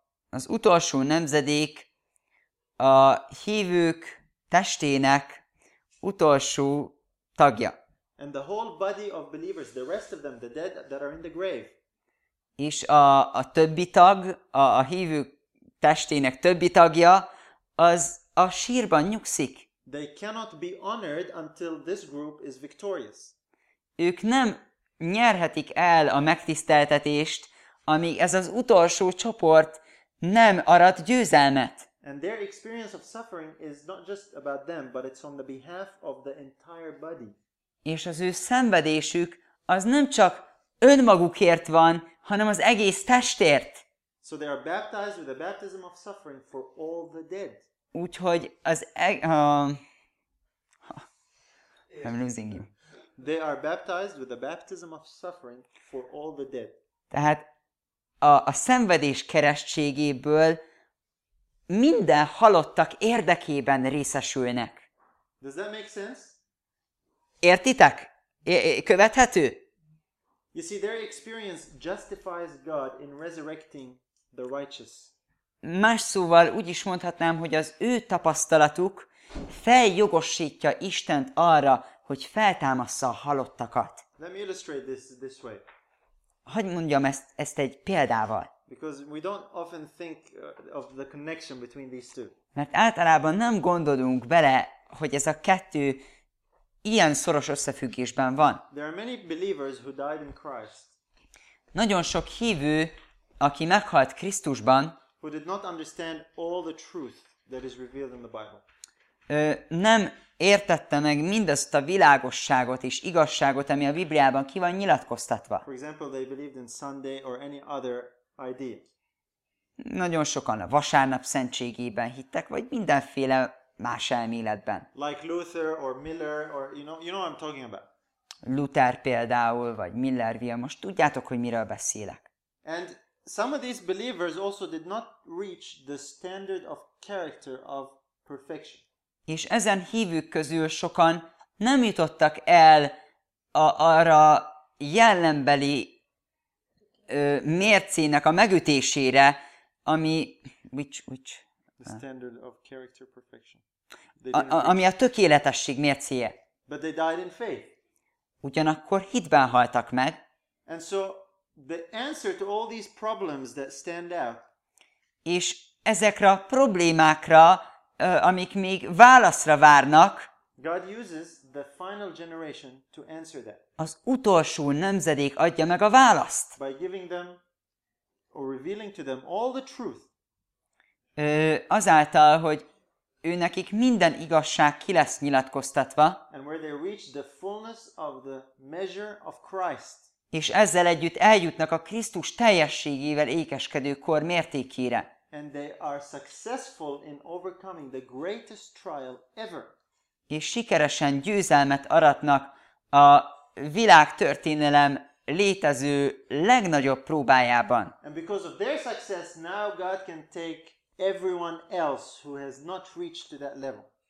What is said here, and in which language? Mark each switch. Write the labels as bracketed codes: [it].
[hu] Az utolsó nemzedék a hívők testének utolsó tagja. [en] And the whole body of believers, the rest of them, the dead that are in the grave. [hu] És a többi tag, a hívők testének többi tagja, az a sírban nyugszik. [en] They cannot be honored until this group is victorious. [hu] Ők nem nyerhetik el a megtiszteltetést, amíg ez az utolsó csoport nem arat győzelmet. [en] And their experience of suffering is not just about them, but it's on the behalf of the entire body. [hu] És az ő szenvedésük az nem csak önmagukért van, hanem az egész testért. [en] So they are baptized with the baptism of suffering for all the dead. [hu] Úgyhogy az [en] I'm losing you. They are baptized with the baptism of suffering for all the dead. [hu] Tehát a szenvedés keresztségéből minden halottak érdekében részesülnek. [en] Does that make sense? [hu] Értitek? Követhető? [en] You see, their experience justifies God in resurrecting the righteous. [hu] Más szóval úgy is mondhatnám, hogy az ő tapasztalatuk feljogosítja Istent arra, hogy feltámassza a halottakat. [en] Let me illustrate this way. [hu] Hogy mondjam ezt egy példával? [en] Because we don't often think of the connection between these two. [hu] Mert általában nem gondolunk bele, hogy ez a kettő ilyen szoros összefüggésben van. [en] There are many believers who died in Christ. [hu] Nagyon sok hívő, aki meghalt Krisztusban, [en] who did not understand all the truth that is revealed in the Bible. [hu] Nem értette meg mindazt a világosságot és igazságot, ami a Bibliában ki van nyilatkoztatva. [en] For example, they believed in Sunday or any other idea. [hu] Nagyon sokan a vasárnap szentségében hittek, vagy mindenféle más elméletben. [en] Like Luther or Miller or you know what I'm talking about. [hu] Luther például, vagy Miller, most tudjátok, hogy miről beszélek. [en] And some of these believers also did not reach the standard of character of perfection. [hu] És ezen hívők közül sokan nem jutottak el arra jellembeli mércének a megütésére, ami which [en] the standard of character perfection. [hu] Ami a tökéletesség mércéje. [en] But they died in faith. [hu] Ugyanakkor hitben haltak meg. [en] And so the answer to all these problems that stand out. [hu] És ezekre a problémákra, amik még válaszra várnak, [en] God uses the final generation to answer that. [hu] Az utolsó nemzedék adja meg a választ. [en] By giving them or revealing to them all the truth. [hu] Azáltal, hogy ő nekik minden igazság ki lesz nyilatkoztatva. [en] And where they reach the fullness of the measure of Christ. [hu] És ezzel együtt eljutnak a Krisztus teljességével ékeskedő kor mértékére. [en] And they are successful in overcoming the greatest trial ever. [hu] És sikeresen győzelmet aratnak a világtörténelem létező legnagyobb próbájában. [en] And because of their success, now God can take everyone else who has not reached to that level.